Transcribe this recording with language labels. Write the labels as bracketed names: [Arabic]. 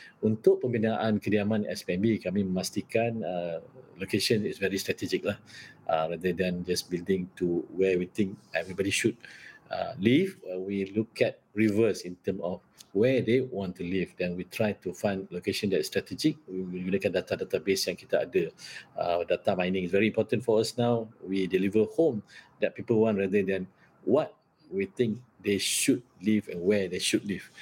[Malay] Untuk pembinaan kediaman SPNB, kami memastikan [English] location is very strategic lah, rather than just building to where we think everybody should live. We look at reverse in term of where they want to live, then we try to find location that is strategic. [Malay] We menggunakan data database yang kita ada. [English] Data mining is very important for us now. We deliver home that people want rather than what we think they should live and where they should live.